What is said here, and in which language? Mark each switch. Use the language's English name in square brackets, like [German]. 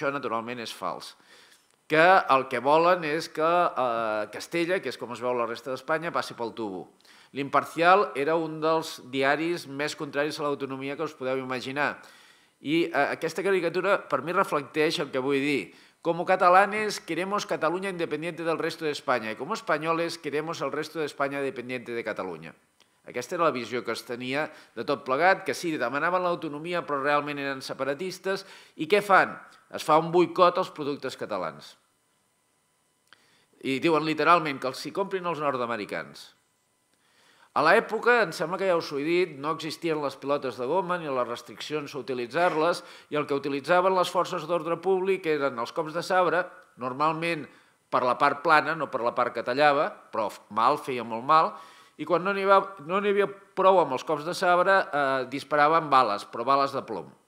[Catalan] Això naturalment és fals. Que el que volen és que Castella, que és com es veu la resta d'Espanya, passi pel tubo. L'Imparcial era un dels diaris més contraris a l'autonomia que us podeu imaginar. I aquesta caricatura per mi reflecteix el que vull dir. [Spanish] Como catalanes queremos Cataluña independiente del resto de España, y como españoles queremos el resto de España dependiente de Cataluña. [Catalan] Aquesta era la visió que es tenia de tot plegat, que sí, demanaven l'autonomia però realment eren separatistes. I què fan? Es fa un boicot als productes catalans. I diuen literalment que els hi comprin els nord-americans. A l'època, em sembla que ja us ho he dit, no existien les pilotes de goma ni les restriccions a utilitzar-les, i el que utilitzaven les forces d'ordre públic eren els cops de sabre, normalment per la part plana, no per la part que tallava, però mal, feia molt mal, i quan no n'hi havia prou amb els cops de sabre, disparaven bales, però bales de plom.